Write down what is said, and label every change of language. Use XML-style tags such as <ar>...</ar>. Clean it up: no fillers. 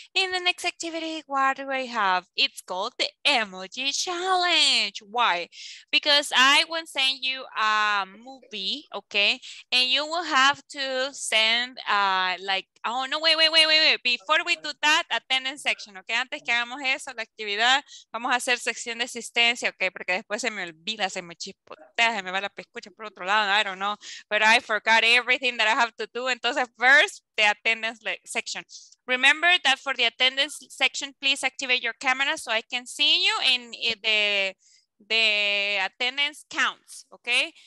<en>In the next activity, what do I have? It's called the emoji challenge. Why? Because I will send you a movie, okay? And you will have to send Before we do that, attendance section, okay?</en> <es>Antes que hagamos eso, la actividad, vamos a hacer sección de asistencia, okay? Porque después se me olvida, se me chispotea, se me va la pescucha por otro lado,</es> <en>I don't know. But I forgot everything that I have to do. Entonces, first, the attendance section. Remember that for the attendance section, please activate your camera so I can see you in the attendance counts, okay?</en>